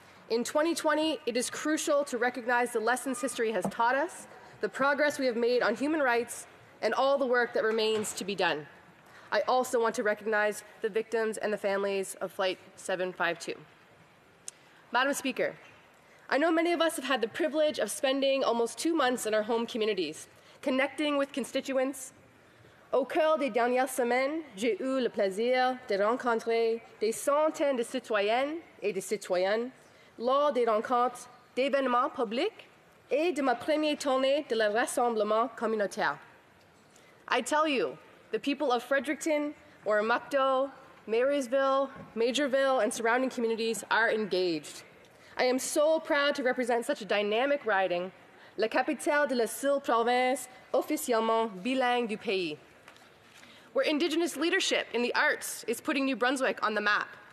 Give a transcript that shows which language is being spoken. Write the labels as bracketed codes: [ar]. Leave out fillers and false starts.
[en] In 2020, it is crucial to recognize the lessons history has taught us, the progress we have made on human rights, and all the work that remains to be done. I also want to recognize the victims and the families of Flight 752. Madam Speaker, I know many of us have had the privilege of spending almost 2 months in our home communities, connecting with constituents. [fr] Au cœur des dernières semaines, j'ai eu le plaisir de rencontrer des centaines de citoyennes et de citoyens lors des rencontres d'événements publics et de ma première tournée de le rassemblement communautaire. [en] I tell you, the people of Fredericton, Oromocto, Marysville, Majorville, and surrounding communities are engaged. I am so proud to represent such a dynamic riding, [fr] la capitale de la seule province officiellement bilingue du pays, [en] where Indigenous leadership in the arts is putting New Brunswick on the map.